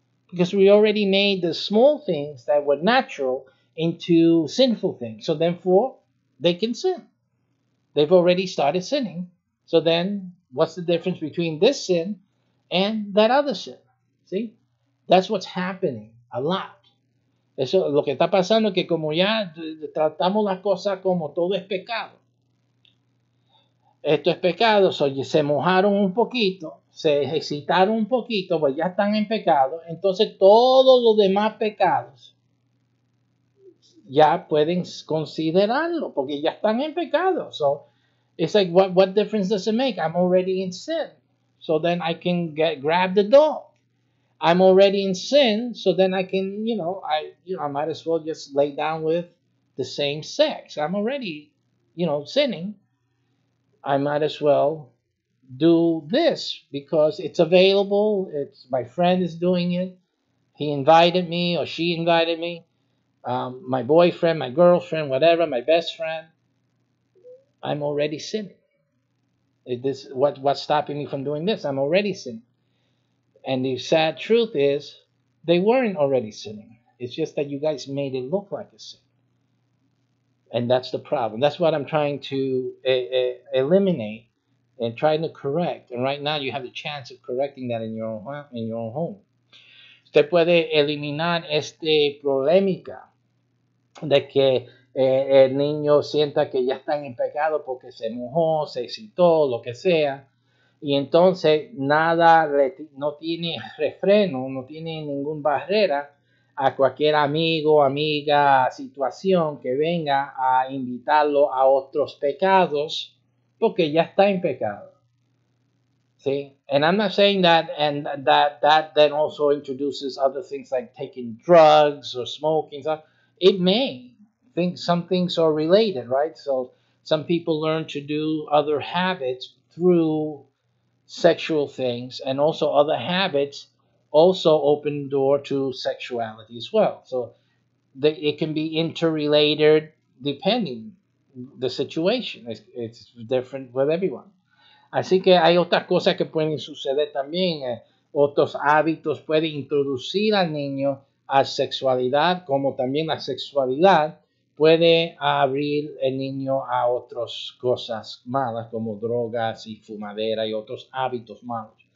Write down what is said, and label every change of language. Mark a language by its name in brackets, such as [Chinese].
[English] Because we already made the small things that were natural into sinful things. So therefore, they can sin. They've already started sinning. So then, what's the difference between this sin and that other sin? See? That's what's happening a lot. [Spanish] Eso lo que está pasando es que como ya tratamos las cosas como todo es pecado. Esto es pecado. So, se mojaron un poquito. Se excitaron un poquito. Pues ya están en pecado. Entonces, todos los demás pecados ya pueden considerarlo porque ya están en pecado. [English] So, it's like, what difference does it make? I'm already in sin. So then I can grab the dog. I'm already in sin, so then I can, I might as well just lay down with the same sex. I'm already, sinning. I might as well do this because it's available. It's my friend is doing it. He invited me or she invited me. My boyfriend, my girlfriend, whatever, my best friend. I'm already sinning. What's stopping me from doing this? I'm already sinning. And the sad truth is, they weren't already sinning. It's just that you guys made it look like a sin. And that's the problem. That's what I'm trying to eliminate and trying to correct. And right now you have the chance of correcting that in your own home. [Spanish] Usted puede eliminar este problemica de que el niño sienta que ya están en pecado porque se mojó, se excitó, lo que sea. Y entonces nada, no tiene refreno, no tiene ningún barrera a cualquier amigo, amiga, situación que venga a invitarlo a otros pecados porque ya está en pecado. ¿Sí? [English] And I'm not saying that, and that then also introduces other things like taking drugs or smoking. So it may. I think some things are related, right? So some people learn to do other habits through sexual things, and also other habits also open door to sexuality as well. So it can be interrelated depending the situation. It's different with everyone. [Spanish] Así que hay otras cosas que pueden suceder también. Otros hábitos pueden introducir al niño a sexualidad, como también la sexualidad puede abrir el niño a otras cosas malas como drogas y fumadera y otros hábitos malos.